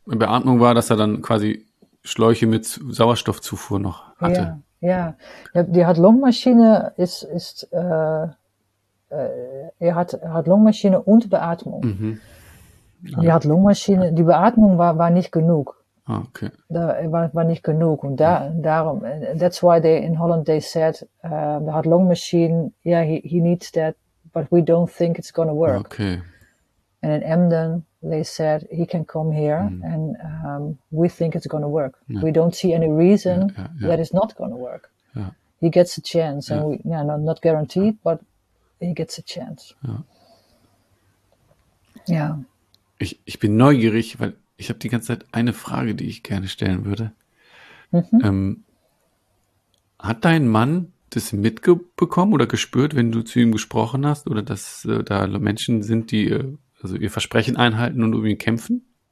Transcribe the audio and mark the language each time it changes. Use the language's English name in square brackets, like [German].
[German] Die Beatmung war, dass er dann quasi Schläuche mit Sauerstoffzufuhr noch hatte. Ja, ja. Ja, die Heart-Lung-Maschine ist er hat Heart-Lung-Maschine und Beatmung. Mm-hmm. Ja. Die Heart-Lung-Maschine, die Beatmung war nicht genug. Okay. War nicht genug. Und darum, [English] that's why they in Holland they said the heart lung machine, yeah, he needs that, but we don't think it's gonna work. Okay. And in Emden they said he can come here and we think it's gonna work. Yeah. We don't see any reason that it's not gonna work. Yeah. He gets a chance and we not guaranteed, but he gets a chance. Yeah. Yeah. [German] Ich bin neugierig, weil ich habe die ganze Zeit eine Frage, die ich gerne stellen würde. Mhm. Hat dein Mann das mitbekommen oder gespürt, wenn du zu ihm gesprochen hast oder dass da Menschen sind, die also ihr Versprechen einhalten und um ihn kämpfen?